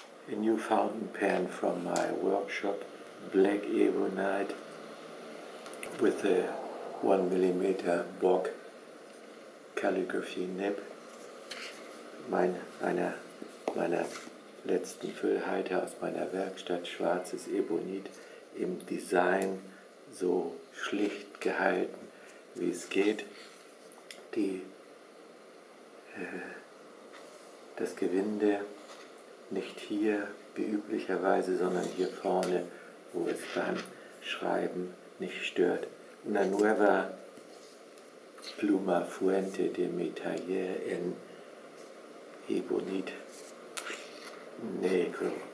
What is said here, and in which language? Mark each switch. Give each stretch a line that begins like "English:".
English: a new fountain pen from my workshop, black Ebonite with a 1 millimeter Bock Calligraphy nib.
German: Meiner letzten Füllhalter aus meiner Werkstatt, schwarzes Ebonite, im Design so schlicht gehalten, wie es geht. Das Gewinde nicht hier, wie üblicherweise, sondern hier vorne, wo es beim Schreiben nicht stört.
Spanish: Una nueva pluma fuente de mi taller en ebonite negro.